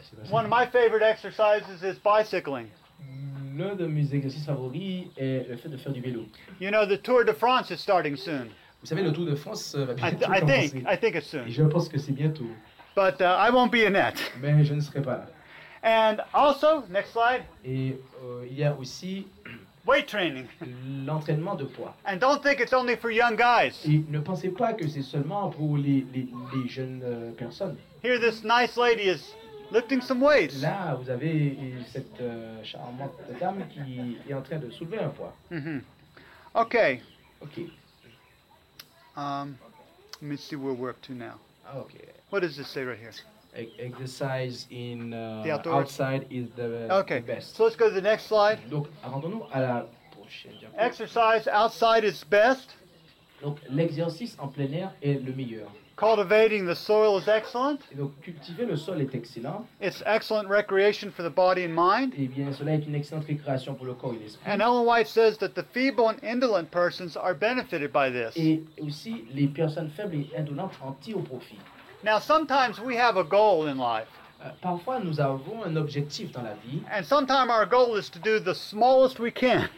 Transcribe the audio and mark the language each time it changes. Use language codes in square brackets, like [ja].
[en] One of my favorite exercises is bicycling. [fr] L'un de mes exercices favoris est le fait de faire du vélo. [en] You know, the Tour de France is starting soon. [fr] Vous savez, le Tour de France va bientôt commencer. [en] I think it's soon. [fr] Et je pense que c'est bientôt. [en] But I won't be in that. [fr] Mais je ne serai pas là. [en] And also, next slide. [fr] Et il y a aussi [en] weight training. [fr] L'entraînement de poids. [en] And don't think it's only for young guys. [fr] Et ne pensez pas que c'est seulement pour les jeunes personnes. [en] Here, this nice lady is lifting some weights. [fr] Là, vous avez cette charmante dame qui est en train de soulever un poids. [en] Mm-hmm. Okay. Okay. Let me see where we're up to now. Okay. What does this say right here? Exercise in outside is the okay. best. So let's go to the next slide. [fr] Donc, rendons-nous à la prochaine. [en] Exercise outside is best. [fr] Donc, l'exercice en plein air est le meilleur. [en] Cultivating the soil is excellent. [fr] Et donc, cultiver le sol est excellent. [en] It's excellent recreation for the body and mind. [fr] Et bien, cela est une excellente récréation pour le corps et l'esprit. [en] And Ellen White says that the feeble and indolent persons are benefited by this. [fr] Et aussi, les personnes faibles et indolentes en tirent profit. [en] Now, sometimes we have a goal in life. [fr] Parfois, nous avons un objectif dans la vie. [en] And sometimes our goal is to do the smallest we can.